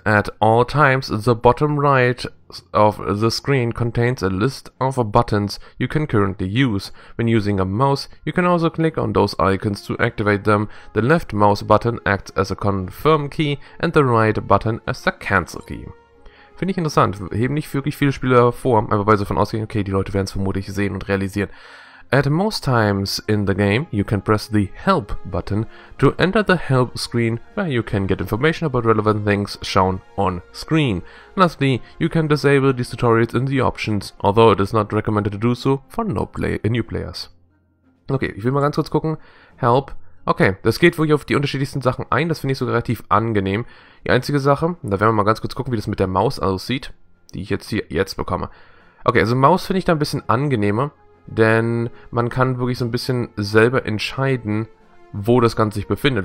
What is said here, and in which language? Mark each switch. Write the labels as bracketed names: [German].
[English] At all times, the bottom right of the screen contains a list of buttons you can currently use. When using a mouse, you can also click on those icons to activate them. The left mouse button acts as a confirm key and the right button as the cancel key. [German] Finde ich interessant. Heben nicht wirklich viele Spiele vor, einfach weil sie davon ausgehen, okay, die Leute werden es vermutlich sehen und realisieren. [English] At most times in the game, you can press the Help button to enter the Help screen, where you can get information about relevant things shown on screen. Lastly, you can disable these tutorials in the options, although it is not recommended to do so for new players. [German] Okay, ich will mal ganz kurz gucken. Help. Okay, das geht wirklich auf die unterschiedlichsten Sachen ein, das finde ich sogar relativ angenehm. Die einzige Sache, da werden wir mal ganz kurz gucken, wie das mit der Maus aussieht, die ich jetzt hier jetzt bekomme. Okay, also Maus finde ich da ein bisschen angenehmer. Denn man kann wirklich so ein bisschen selber entscheiden, wo das Ganze sich befindet.